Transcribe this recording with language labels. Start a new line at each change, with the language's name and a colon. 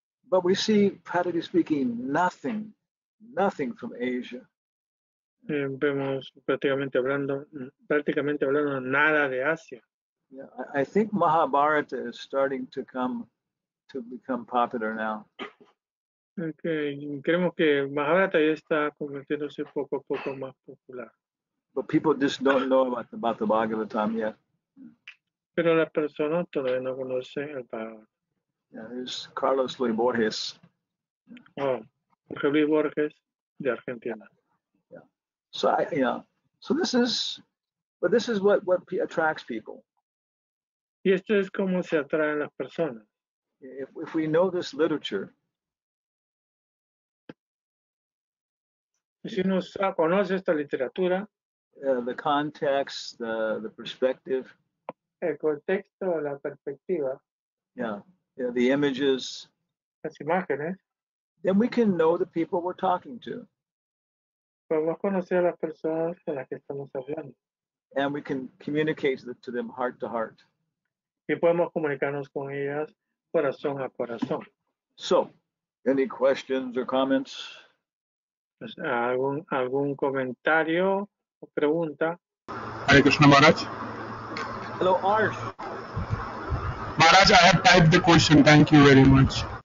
English: But we see, practically speaking, nothing from Asia.
Spanish: Vemos prácticamente hablando nada de Asia.
English: Yeah, I think Mahabharata is starting to become popular now.
Spanish: Okay, creemos que Mahabharata ya está convirtiéndose poco a poco más popular.
English: But people just don't know about the Bhagavatam yet.
Spanish: Pero las personas todavía no conocen el Bhagavatam.
English: Yeah, there's Carlos Luis Borges.
Spanish: Oh, Jorge Luis Borges de Argentina.
English: So this is what attracts people.
Spanish: Y esto es como se atraen las personas.
English: If we know this literature,
Spanish: si uno conoce esta literatura,
English: the context, the perspective,
Spanish: el contexto, la perspectiva,
English: the images,
Spanish: las imágenes,
English: then we can know the people we're talking to.
Spanish: Podemos conocer a las personas con las que estamos hablando.
English: And we can communicate to them heart to heart.
Spanish: Y podemos comunicarnos con ellas corazón a corazón.
English: So, any questions or comments?
Spanish: ¿Algún comentario o pregunta?
English: Hare Krishna Maharaj. Hello, Arsh. Maharaj, I have typed the question. Thank you very much.